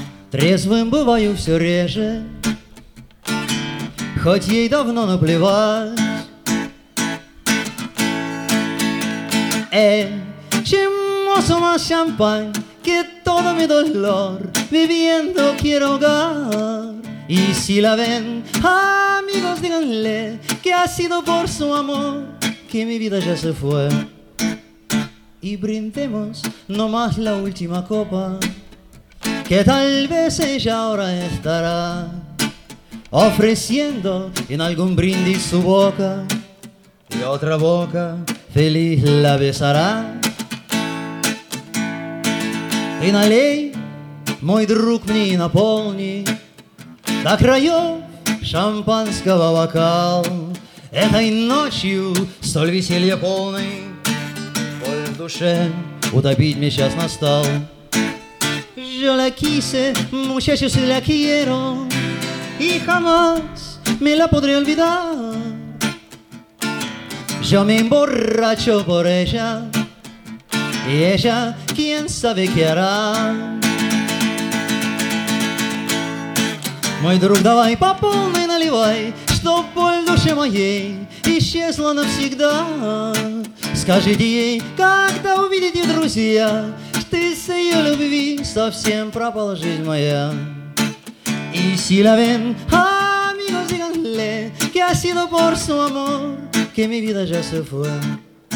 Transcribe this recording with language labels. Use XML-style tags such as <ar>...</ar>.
<ru>Трезвым бываю все реже, хоть ей давно наплевать.</ru> <es>Echemos más champán, que todo mi dolor viviendo quiero ahogar. Y si la ven, amigos, díganle que ha sido por su amor que mi vida ya se fue. Y brindemos nomás la última copa, que tal vez ella ahora estará ofreciendo en algún brindis su boca, y otra boca feliz la besará.</es> <ru>Ты налей, мой друг, мне и наполни до краев шампанского бокал. Этой ночью столь веселья полной боль в душе утопить мне сейчас настал.</ru> <es>Je la quise, muchachos, la quiero, y jamás me la podré olvidar. Yo me emborracho por ella, y ella, quién sabe qué hará.</es> <ru>Мой друг, давай по полной наливай, чтоб боль в душе моей исчезла навсегда. Скажите ей, когда увидите друзья, что из ее любви совсем пропала жизнь моя.</ru> <es>И si la ven, amigos, díganle que ha sido por su amor que mi vida ya se fue.</es>